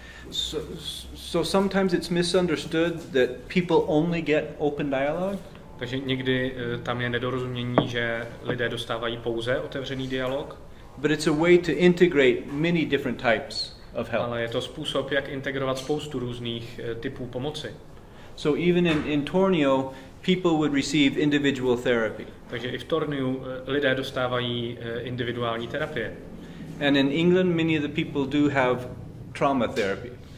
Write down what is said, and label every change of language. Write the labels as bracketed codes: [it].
[en] So sometimes it's misunderstood that people only get open dialogue. [cs] Takže někdy tam je nedorozumění, že lidé dostávají pouze otevřený dialog. [en] But it's a way to integrate many different types of help. [cs] Ale je to způsob, jak integrovat spoustu různých typů pomoci. [en] So even in Tornio, people would receive individual therapy. [cs] Takže i v Torniu lidé dostávají individuální terapie. [en] And in England, many of the people do have trauma therapy.